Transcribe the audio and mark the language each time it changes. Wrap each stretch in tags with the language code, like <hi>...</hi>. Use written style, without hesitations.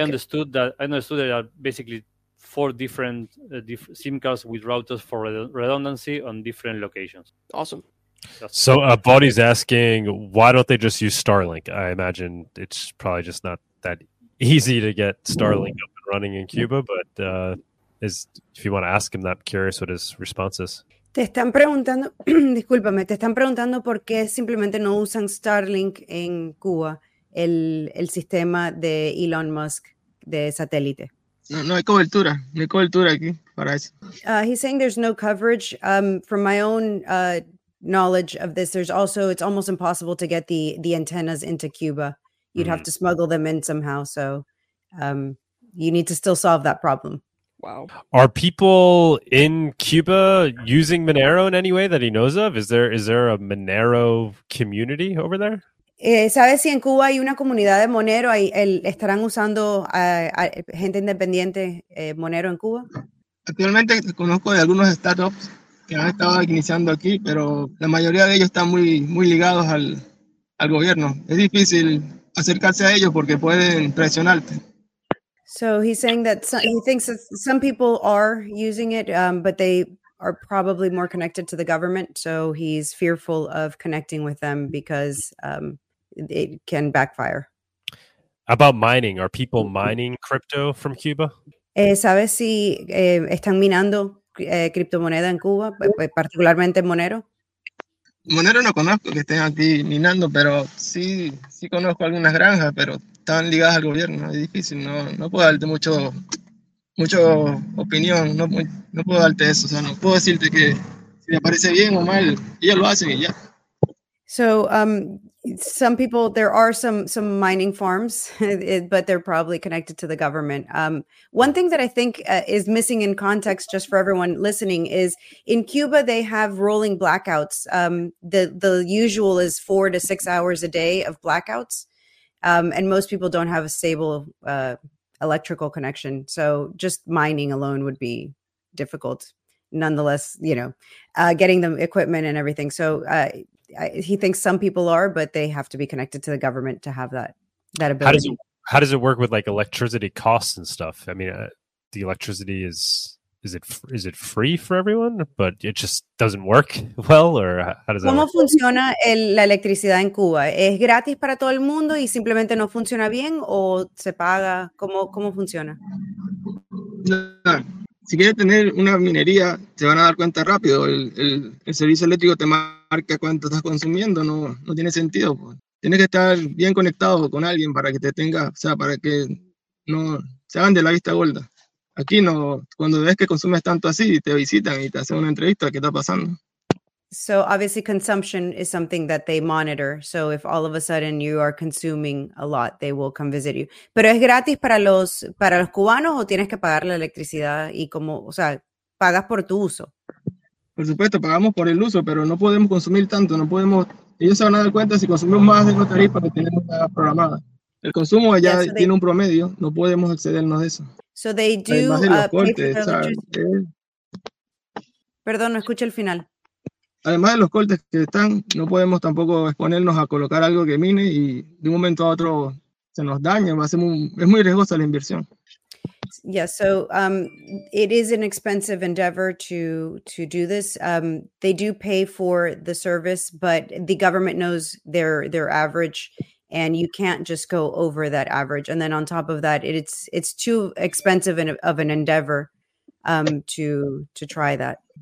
<en>I understood that there are basically 4 different SIM cards with routers for redundancy on different locations. Awesome. So Body's asking, why don't they just use Starlink? I imagine it's probably just not that easy to get Starlink up and running in Cuba, but if you want to ask him that, curious what his response is.</en> <es>Te están preguntando, discúlpame, te están preguntando por qué simplemente no usan Starlink en Cuba, el sistema de Elon Musk de satélite. No hay cobertura. No hay cobertura aquí para eso.</es> <en>He's saying there's no coverage. From my own knowledge of this, there's also, it's almost impossible to get the antennas into Cuba. You'd have to smuggle them in somehow. So you need to still solve that problem. Wow. Are people in Cuba using Monero in any way that he knows of? Is there a Monero community over there?</en> <es>¿Sabes si en Cuba hay una comunidad de Monero? ¿Estarán usando a gente independiente Monero en Cuba? Actualmente conozco de algunos startups que han estado iniciando aquí, pero la mayoría de ellos están muy, muy ligados al gobierno. Es difícil acercarse a ellos porque pueden presionarte.</es> <en>So he's saying that he thinks that some people are using it, but they are probably more connected to the government, so he's fearful of connecting with them because it can backfire. About mining, are people mining crypto from Cuba?</en> <es>¿Sabes si están minando criptomoneda en Cuba, particularmente Monero? Monero no conozco que estén aquí minando, pero sí conozco algunas granjas, pero están ligadas al gobierno. Es difícil, no puedo darte mucho opinión, no puedo darte eso, o sea, no puedo decirte que si le parece bien o mal, ellos lo hacen y ya.</es> <en>So, some people, there are some mining farms, but they're probably connected to the government. One thing that I think is missing in context, just for everyone listening, is in Cuba, they have rolling blackouts. The usual is 4 to 6 hours a day of blackouts. And most people don't have a stable electrical connection. So just mining alone would be difficult. Nonetheless, you know, getting the equipment and everything. So he thinks some people are, but they have to be connected to the government to have that ability. How does it work with like electricity costs and stuff? I mean, the electricity is it free for everyone, but it just doesn't work well, or how does that work?</en> <es>¿Cómo funciona la electricidad en Cuba? ¿Es gratis para todo el mundo y simplemente no funciona bien o se paga? ¿Cómo funciona? Si quieres tener una minería, te van a dar cuenta rápido. El servicio eléctrico te marca cuánto estás consumiendo. No tiene sentido. Tienes que estar bien conectado con alguien para que te tenga, o sea, para que no se hagan de la vista gorda. Aquí no, cuando ves que consumes tanto así, te visitan y te hacen una entrevista. ¿Qué está pasando?</es> <en>So obviously consumption is something that they monitor. So if all of a sudden you are consuming a lot, they will come visit you.</en> <es>¿Pero es gratis para los cubanos o tienes que pagar la electricidad y como, o sea, pagas por tu uso? Por supuesto, pagamos por el uso, pero no podemos consumir tanto, no podemos. Ellos se van a dar cuenta si consumimos más de la tarifa que tenemos programada. El consumo allá tiene un promedio, no podemos excedernos de eso.</es> <en>So they do</en> <es>Perdón, no escuché el final. Además de los cortes que están, no podemos tampoco exponernos a colocar algo que mine y de un momento a otro se nos daña. Es muy riesgosa la inversión.</es> <en>Yeah, so it is an expensive endeavor to do this. They do pay for the service, but the government knows their average, and you can't just go over that average. And then on top of that, it's too expensive of an endeavor to try that.</en>